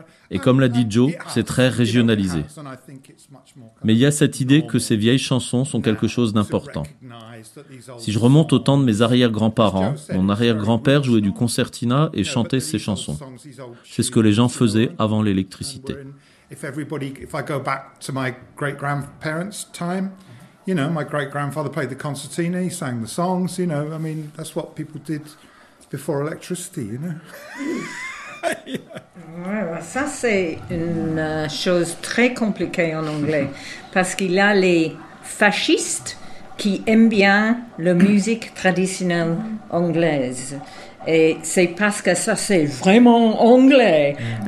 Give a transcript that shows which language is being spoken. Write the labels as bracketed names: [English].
[French] Et comme l'a dit Joe, c'est très régionalisé. Mais il y a cette idée que ces vieilles chansons sont quelque chose d'important. Si je remonte au temps de mes arrière-grands-parents, mon arrière-grand-père jouait du concertina et chantait ces chansons. C'est ce que les gens faisaient avant l'électricité. [English] If I go back to my great-grandparents' time, you know, my great-grandfather played the concertina, he sang the songs, you know, I mean, that's what people did before electricity, you know. [French] Ouais, ça, c'est une chose très compliquée en anglais, parce qu'il y a les fascistes qui aiment bien la musique traditionnelle anglaise. Et c'est parce que ça, c'est vraiment anglais. Mmh.